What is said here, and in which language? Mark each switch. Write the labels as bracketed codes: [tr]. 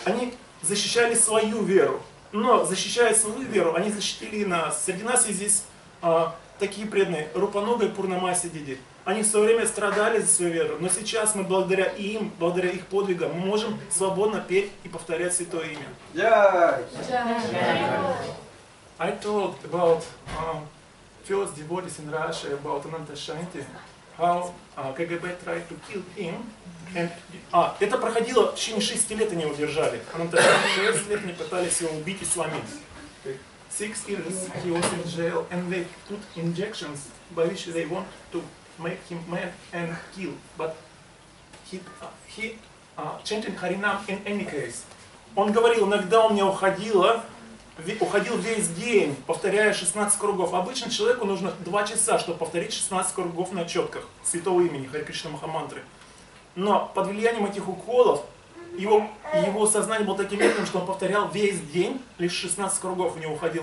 [ru] Они защищали свою веру. Но защищая свою веру, они защитили и нас. Среди нас есть такие преданные, Рупануга и Пурнамаси Диди. Они в свое время страдали за свою веру, но сейчас мы благодаря им, благодаря их подвигам, мы можем свободно петь и повторять Святое Имя. Yeah. [en] I talked about first devotees in Russia, about Ananta Shanti, how KGB tried to kill him. [ru] Это проходило, в течение 6 лет они его держали. Ананта Шанти 6 лет они пытались его убить и сломить. [en] 6 years he was in jail and they put injections by which they want to make him mad and kill. But he chanting Харинам in any case. [ru] Он говорил, иногда у меня уходил весь день, повторяя 16 кругов. Обычно человеку нужно 2 часа, чтобы повторить 16 кругов на четках Святого Имени Хари Кришна Махамантры. Но под влиянием этих уколов его сознание было таким мирным, что он повторял весь день, лишь 16 кругов у него уходил.